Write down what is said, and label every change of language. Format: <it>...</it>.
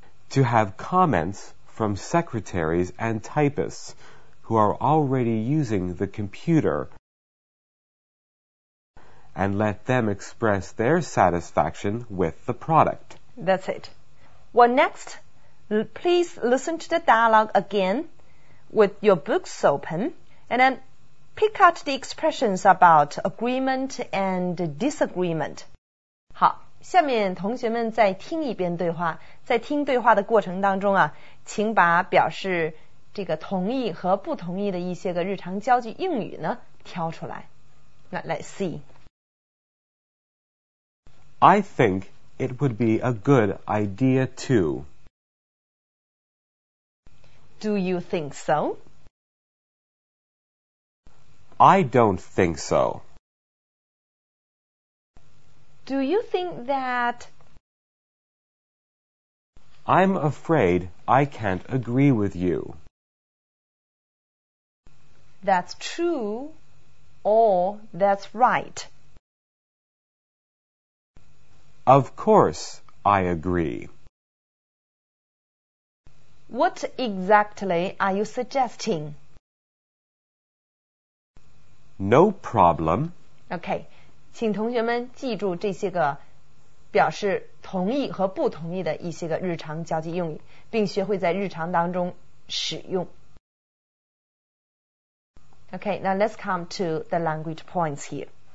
<en>To have comments from secretaries and typists who are already using the computer and let them express their satisfaction with the product. That's it. Well, next, please listen to the dialogue again with your books open and then... Pick out the expressions about agreement and disagreement.</en> <zh>好，下面同学们再听一遍对话。在听对话的过程当中啊，请把表示这个同意和不同意的一些个日常交际用语呢挑出来。</zh> <en>那 Let's see. I think it would be a good idea too. Do you think so? I don't think so. Do you think that... I'm afraid I can't agree with you. That's true or that's right. Of course I agree. What exactly are you suggesting? No problem.</en> <zh>Okay, 请同学们记住这些个表示同意和不同意的一些个日常交际用语，并学会在日常当中使用。</zh> <en>Okay, now let's come to the language points here.</en>